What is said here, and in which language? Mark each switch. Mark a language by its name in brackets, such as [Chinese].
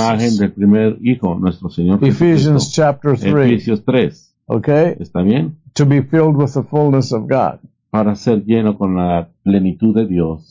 [Spanish] A la imagen del primer hijo, nuestro Señor [English] Ephesians [Spanish] Cristo. [English] Chapter 3. [Spanish] Efesios 3. [English] Okay? [Spanish] Está bien. [English] To be filled with the fullness of God. [Spanish] Para ser lleno con la plenitud de Dios.